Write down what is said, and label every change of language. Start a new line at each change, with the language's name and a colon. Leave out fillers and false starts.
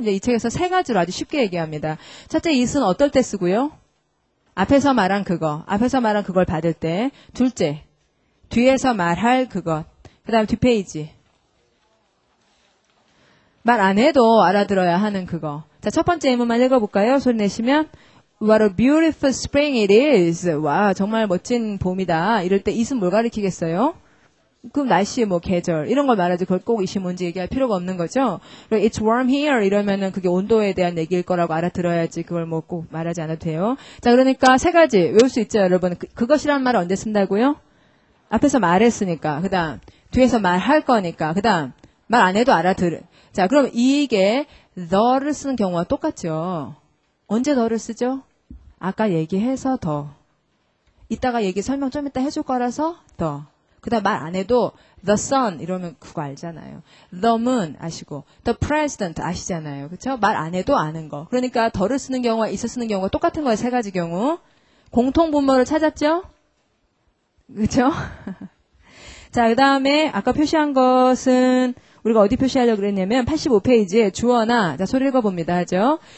Korean: 이제 이 책에서 세 가지로 아주 쉽게 얘기합니다. 첫째, 잇은 어떨 때 쓰고요. 앞에서 말한 그거, 앞에서 말한 그걸 받을 때. 둘째, 뒤에서 말할 그것. 그 다음 뒷페이지. 말 안 해도 알아들어야 하는 그거. 자, 첫 번째 예문만 읽어볼까요? 소리 내시면
English: What a beautiful spring it is.
Korean: 와, 정말 멋진 봄이다. 이럴 때 it은 뭘 가리키겠어요? 그럼 날씨, 뭐 계절 이런 걸 말하지 그걸 꼭 it이 뭔지 얘기할 필요가 없는 거죠.
English: It's warm here
Korean: 이러면은 그게 온도에 대한 얘기일 거라고 알아들어야지 그걸 뭐 꼭 말하지 않아도 돼요. 자, 그러니까 세 가지 외울 수 있죠, 여러분. 그것이란 말을 언제 쓴다고요? 앞에서 말했으니까. 그 다음 뒤에서 말할 거니까. 그 다음 말 안 해도 알아들어. 자, 그럼 이게 the를 쓰는 경우와 똑같죠. 언제 the를 쓰죠? 아까 얘기해서 the. 이따가 얘기 설명 좀 이따 해줄 거라서 the. 그 다음 말 안 해도 the sun 이러면 그거 알잖아요. the moon 아시고 the president 아시잖아요. 그렇죠? 말 안 해도 아는 거. 그러니까 the를 쓰는 경우와 it을 쓰는 경우가 똑같은 거예요. 세 가지 경우. 공통 분모를 찾았죠? 그렇죠? 자, 그 다음에 아까 표시한 것은 우리가 어디 표시하려고 그랬냐면 85페이지에 주어나, 자, 소리 읽어봅니다 하죠.